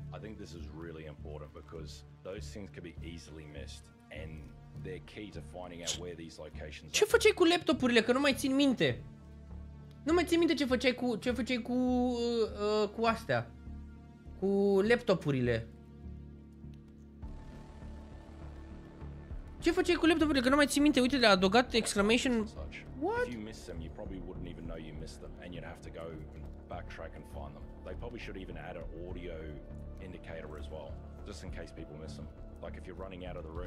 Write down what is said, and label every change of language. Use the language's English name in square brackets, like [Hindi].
[English] I think this is really important because those things can be easily missed and they're key to finding out where these locations are. [Romanian] Ce făceai cu laptopurile? Că nu mai țin minte. Nu mai țin minte ce făceai cu astea. Cu laptopurile. Ce făceai cu laptopurile? Că nu mai țin minte. Uite, le-a adăugat [English] exclamation. What? If you miss them, you probably wouldn't even know you missed them and you'd have to go backtrack and find them. They probably should even add an audio indicator as well, just in case people miss them. Like if you're running out of the room.